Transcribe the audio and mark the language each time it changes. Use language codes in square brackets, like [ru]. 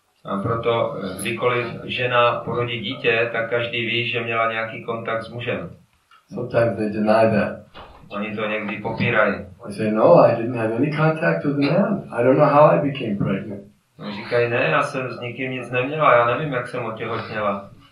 [cs] A proto, kdykoliv žena porodí dítě, tak každý ví, že měla nějaký kontakt s mužem. [en] Sometimes they deny that. [cs] Oni to někdy popírají. [en] They say, no, I didn't have any contact with the man. I don't know how I became pregnant. [cs] Oni říkají, ne, já jsem s nikým nic neměla, já nevím, jak jsem otěhotněla.